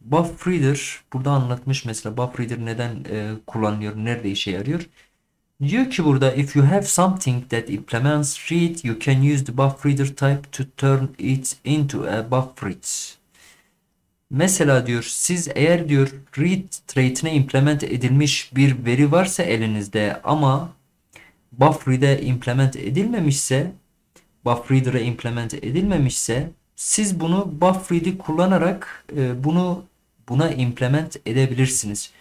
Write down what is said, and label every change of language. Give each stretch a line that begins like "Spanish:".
Turkish: Buffreader burada anlatmış mesela Buffreader neden kullanılıyor, nerede işe yarıyor. Diyor ki burada
English: if you have something that implements read, you can use the Buffreader type to turn it into a Buffread.
Turkish: Mesela diyor siz eğer diyor read trait'ine implement edilmiş bir veri varsa elinizde ama Buffread'e implement edilmemişse, Buffreader'e implement edilmemişse siz bunu Buffread'i kullanarak buna implement edebilirsiniz.